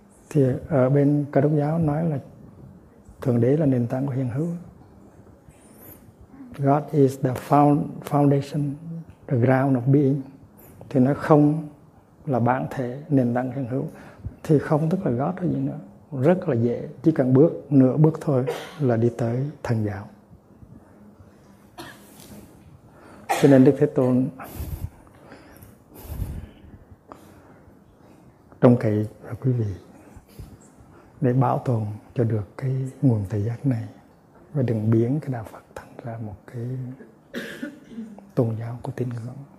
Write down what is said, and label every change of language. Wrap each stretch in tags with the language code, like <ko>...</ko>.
<vi>Thì ở bên Cơ Đốc giáo nói là thần đế là nền tảng của hiện hữu.</vi> <en>God is the foundation, the ground of being.</en> <vi>Thì nó không là bản thể, nền tảng hiện hữu, thì không tức là God hay gì nữa. Rất là dễ, chỉ cần bước nửa bước thôi là đi tới thần giáo. Cho nên Đức Thế Tôn trông cậy vào quý vị để bảo tồn cho được cái nguồn tự giác này, và đừng biến cái Đạo Phật thành ra một cái tôn giáo của tín ngưỡng.</vi>